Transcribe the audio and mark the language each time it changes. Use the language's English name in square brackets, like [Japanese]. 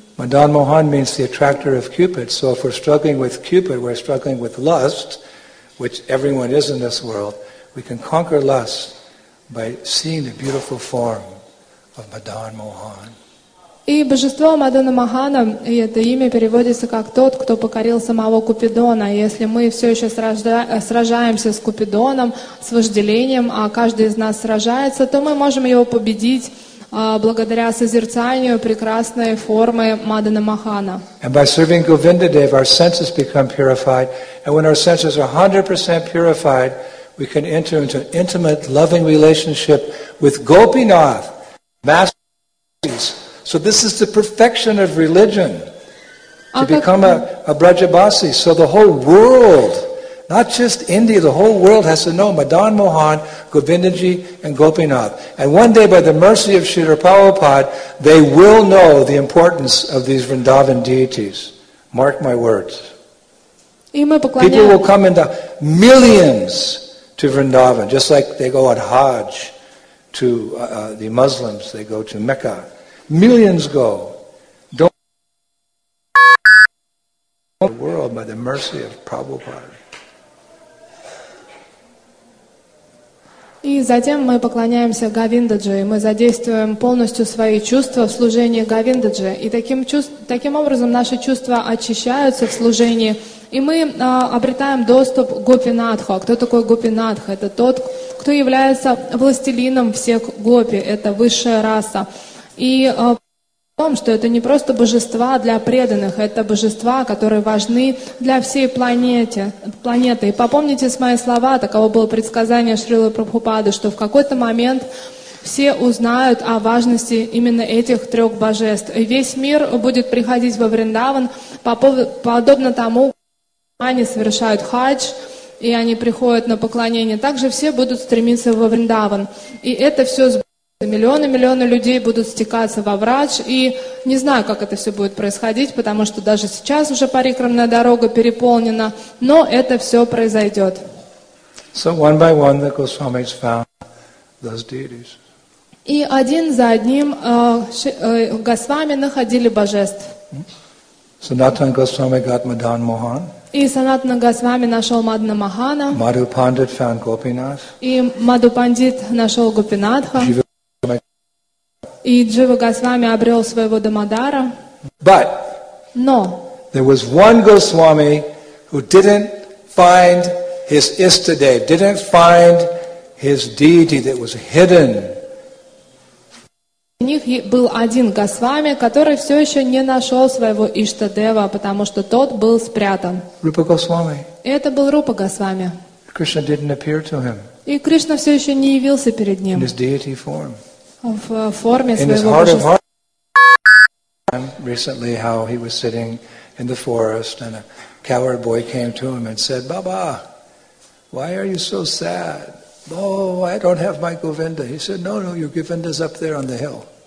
[English] Madan Mohan means the attractor of Cupid, so if we're struggling with Cupid, we're struggling with lust, which everyone is in this world, we can conquer lust by seeing the beautiful form of Madan Mohan. [Russian] И божество Мадана Махана, и это имя переводится как «тот, кто покорил самого Купидона». Если мы все еще сражаемся с Купидоном, с вожделением, а каждый из нас сражается, то мы можем его победить благодаря созерцанию прекрасной формы Мадана Махана. [English] And by serving Govindadev, our senses become purified. And when our senses are 100% purified, we can enter into an intimate, loving relationship with Gopinath, Master of So this is the perfection of religion, to become a Brajabasi. So the whole world, not just India, the whole world has to know Madan Mohan, Govindaji, and Gopinath. And one day, by the mercy of Srila Prabhupada, they will know the importance of these Vrindavan deities. Mark my words. People will come into millions to Vrindavan, just like they go on Hajj to the Muslims, they go to Mecca. Millions go. Don't the world by the mercy of Prabhupada. [Russian] И затем мы поклоняемся Говиндаджи, мы задействуем полностью свои чувства в служении Говиндаджи, и таким образом наши чувства очищаются в служении, и мы обретаем доступ к Гопинатху. Кто такой Гопинатх? Это тот, кто является властелином всех гопи, это высшая раса. И в том, что это не просто божества для преданных, это божества, которые важны для всей планеты. И попомните мои слова, таково было предсказание Шрилы Прабхупады, что в какой-то момент все узнают о важности именно этих трех божеств. И весь мир будет приходить во Вриндаван, подобно тому, как они совершают хадж, и они приходят на поклонение. Также все будут стремиться во Вриндаван. И это все сбудется. Миллионы людей будут стекаться во врач, и не знаю, как это все будет происходить, потому что даже сейчас уже парикрамная дорога переполнена, но это все произойдет. [English] So one by one, the Goswamis found those deities. [Russian] И один за одним Госвами находили божеств. [English] Sanatana Goswami got Madan Mohan. [Russian] И Санатана Госвами нашел Мадана Махана. [English] Madhu Pandit found Gopinath. [Russian] И Madhu Pandit нашел Гопинатха. И Джива Госвами обрел своего Дамодара. [English] But no. There was one Goswami who didn't find his Ishtadev, didn't find his deity that was hidden. [Russian] У них был один Госвами, который все еще не нашел своего Ишта-дева, потому что тот был спрятан. [English] Rupa Goswami. [Russian] Это был Рупа Госвами. [English] Krishna didn't appear to him. [Russian] И Кришна все еще не явился перед ним. [English] In his deity form. [Russian] В форме [English] in [Russian] своего [English] his heart of heart, recently how he was sitting in the forest and a coward boy came to him and said, Baba, why are you so sad? Oh, I don't have my Govinda. He said, no, your Govinda's up there on the hill.